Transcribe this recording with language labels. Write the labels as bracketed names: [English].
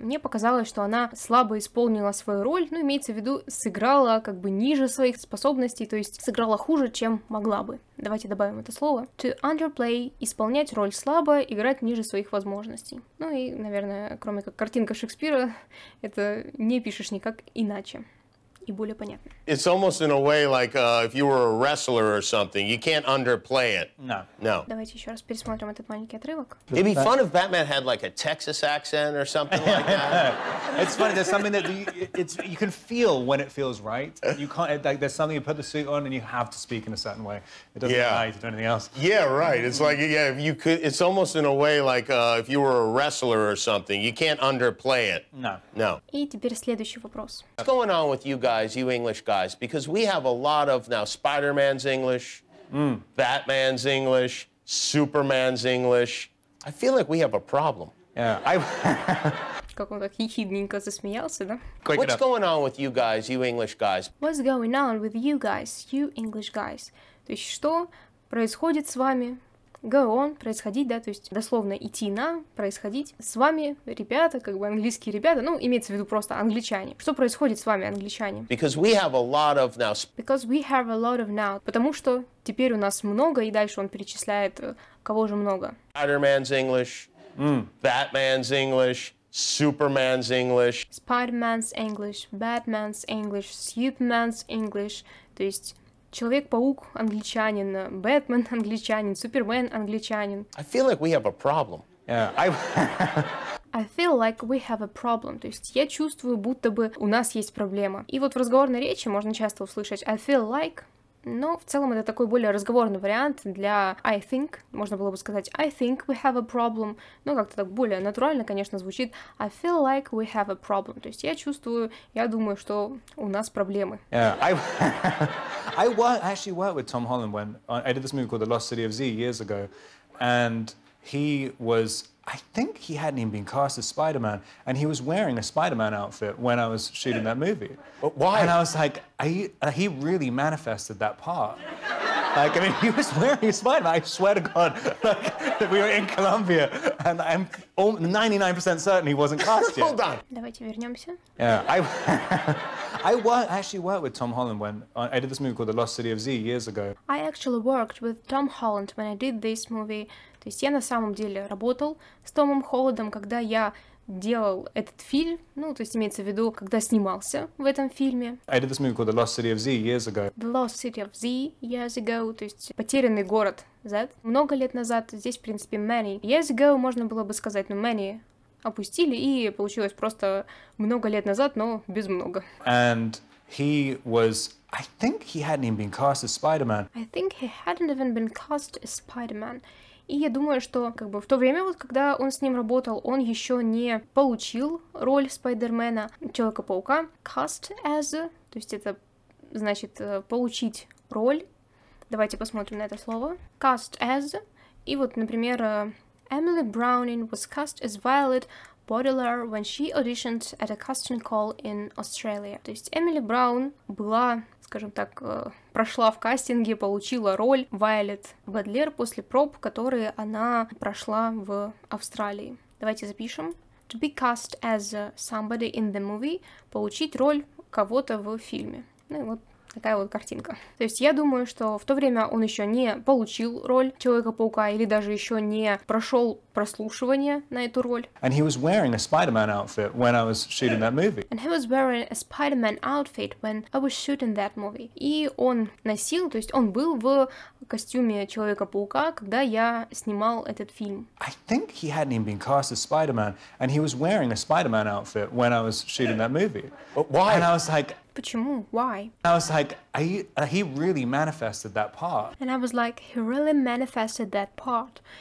[Russian] Мне показалось, что она слабо исполнила свою роль, ну, имеется в виду, сыграла как бы ниже своих способностей, то есть сыграла хуже, чем могла бы. Давайте добавим это слово. [English] To underplay [Russian] – исполнять роль слабо, играть ниже своих возможностей. Ну и, наверное, кроме как картинка Шекспира, это не пишешь никак иначе. И более понятно. [English] It's almost in a way like if you were a wrestler or something. You can't underplay it. No. No. [Russian] Давайте еще раз пересмотрим этот маленький отрывок. [English] It'd be fun if Batman had like a Texas accent or something like that. It's funny. There's something that you can feel when it feels right. You can't, like, there's something you put the suit on and you have to speak in a certain way. It doesn't apply to do anything else. Yeah, right. It's like, yeah, if you could, it's almost in a way like if you were a wrestler or something. You can't underplay it. No. No. [Russian] И теперь следующий вопрос. [English] What's going on with you guys, you English guys, because we have a lot of now Spider-Man's English, Batman's English, Superman's English. I feel like we have a problem. Yeah. [Russian] Как он так хихидненько засмеялся, да? [English] What's going on with you guys, you English guys? What's going on with you guys, you English guys? [Russian] То есть, что происходит с вами? [English] Go on, [Russian] происходить, да, то есть дословно идти на, происходить с вами, ребята, как бы английские ребята, ну, имеется в виду просто англичане. Что происходит с вами, англичане? [English] Because we have a lot of now. Because we have a lot of now. [Russian] Потому что теперь у нас много, и дальше он перечисляет, кого же много. [English] Spider-Man's English, Batman's English, Superman's English. Spider-Man's English, Batman's English, Superman's English, [Russian] то есть... Человек-паук – англичанин, Бэтмен – англичанин, Супермен – англичанин. [English] I feel like we have a problem. Yeah, I feel like we have a problem. [Russian] То есть я чувствую, будто бы у нас есть проблема. И вот в разговорной речи можно часто услышать [English] I feel like, [Russian] но в целом это такой более разговорный вариант для [English] I think. [Russian] Можно было бы сказать [English] I think we have a problem, [Russian] но как-то так более натурально, конечно, звучит [English] I feel like we have a problem. [Russian] То есть я чувствую, я думаю, что у нас проблемы. [English] I actually worked with Tom Holland when I did this movie called The Lost City of Z years ago, and he was, I think he hadn't even been cast as Spider-Man, and he was wearing a Spider-Man outfit when I was shooting that movie. But why? And I was like, he really manifested that part. Like, I mean, he was wearing a Spider-Man, I swear to God, like, that we were in Colombia, and I'm 99% certain he wasn't cast yet. Hold on. [Russian] Давайте вернемся. [English] Yeah, I actually worked with Tom Holland when I did this movie called The Lost City of Z years ago. I actually worked with Tom Holland when I did this movie. [Russian] То есть я на самом деле работал с Томом Холландом, когда я делал этот фильм, ну, то есть имеется в виду, когда снимался в этом фильме. [English] I did this movie called The Lost City of Z years ago. The Lost City of Z years ago, [Russian] то есть потерянный город [English] Z. [Russian] Много лет назад, здесь, в принципе, [English] many years ago [Russian] можно было бы сказать, но [English] many [Russian] опустили, и получилось просто много лет назад, но без много. [English] And he was... I think he hadn't even been cast as Spider-Man. I think he hadn't even been cast as Spider-Man. [Russian] И я думаю, что как бы в то время, вот когда он с ним работал, он еще не получил роль Спайдермена, Человека-паука. [English] Cast as, [Russian] то есть это значит получить роль. Давайте посмотрим на это слово. [English] Cast as. [Russian] И вот, например, [English] Emily Browning was cast as Violet Baudelaire when she auditioned at a casting call in Australia. [Russian] То есть Эмили Браун была, скажем так, прошла в кастинге, получила роль Вайолет Бодлер после проб, которые она прошла в Австралии. Давайте запишем. [English] To be cast as somebody in the movie, [Russian] получить роль кого-то в фильме. Ну и вот такая вот картинка. То есть я думаю, что в то время он еще не получил роль Человека-паука или даже еще не прошел прослушивание на эту роль. [English] And he was wearing a Spider-Man outfit when I was shooting that movie. And he was wearing a Spider-Man outfit when I was shooting that movie. [Russian] И он носил, то есть он был в костюме Человека-паука, когда я снимал этот фильм. [English] I think he hadn't even been cast as Spider-Man, and he was wearing a Spider-Man outfit when I was shooting that movie. But why? And I was like, [Russian] почему? [English] Why? I was like, he really manifested that part. And I was like, he really manifested that part.